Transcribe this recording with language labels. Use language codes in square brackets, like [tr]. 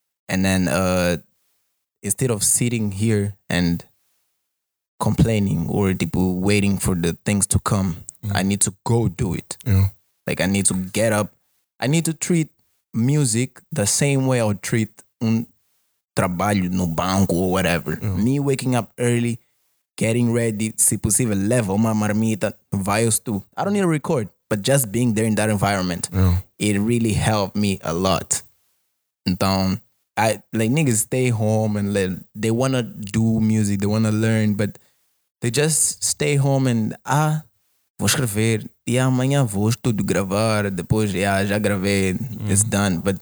[en] and then instead of sitting here and complaining or people waiting for the things to come, I need to go do it. Yeah. Like I need to get up. I need to treat music the same way I would treat [pt] un trabalho no banco [en] or whatever. Yeah. Me waking up early, getting ready, [pt] se possível, leva uma marmita, vai tu. [en] I don't need to record, but just being there in that environment, it really helped me a lot. [pt] Então, [en] I like niggas stay home and let, they want to do music, they want to learn, but they just stay home and [pt] vou escrever e amanhã vou tudo gravar depois já gravei, [en] it's done.